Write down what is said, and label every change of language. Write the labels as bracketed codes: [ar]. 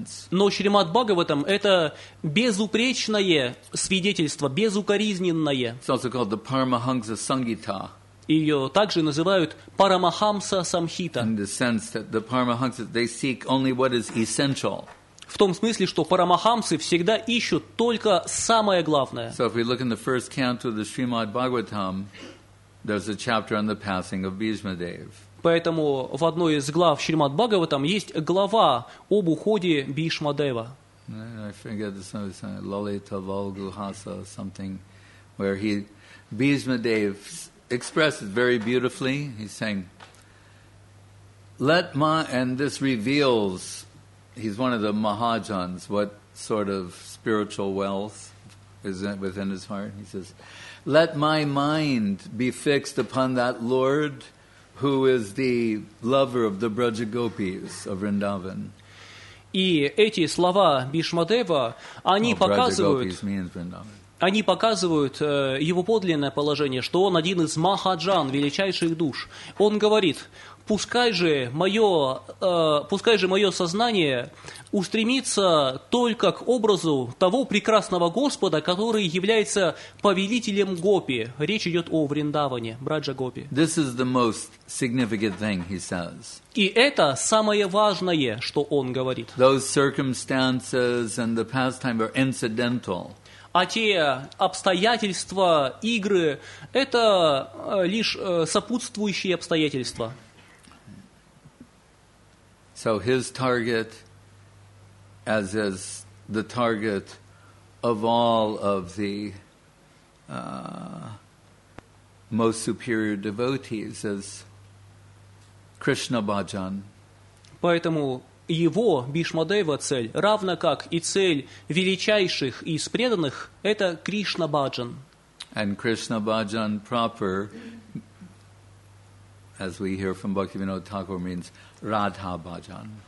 [ru] Но Шримад Бхагаватам – это безупречное свидетельство, безукоризненное. [en] It's also called the Paramahamsa Sanghita. [ru] Ее также называют Парамахамса Самхита. [en] In the sense that the Paramahamsa, they seek only what is essential. [ru] В том смысле, что Парамахамсы всегда ищут только самое главное. [en] So if we look in the first canto of the Srimad Bhagavatam, there's a chapter on the passing of Bhishma Dev. [ru] Поэтому в одной из глав Шримад Бхагаватам есть глава об уходе Бхишма Дева. [en] I forget the song, Lalita Valguhasa, something where he Bhishma Dev expressed very beautifully. He's saying, "Let my," and this reveals he's one of the Mahajans. What sort of spiritual wealth is within his heart? He says, "Let my mind be fixed upon that Lord who is the lover of the Braja Gopis of Vrindavan." [ru] И эти слова Бхишма Дева, они показывают, его подлинное положение, что он один из махаджан, величайших душ. Он говорит: пускай же мое сознание устремится только к образу того прекрасного Господа, который является повелителем Гопи. Речь идет о Вриндаване, Браджа Гопи. [en] This is the most significant thing he says. [ru] И это самое важное, что он говорит. [en] Those circumstances and the pastime are incidental. [ru] А те обстоятельства, игры, это лишь сопутствующие обстоятельства. [en] So his target, as is the target of all of the most superior devotees, is Krishna Bhajan. [ru] Поэтому его Бхишмадева цель, равно как и цель величайших из преданных, это Кришна Бхаджан. [en] And Krishna Bhajan proper, as we hear from Bhaktivinoda Thakur, means Radha Bhajan.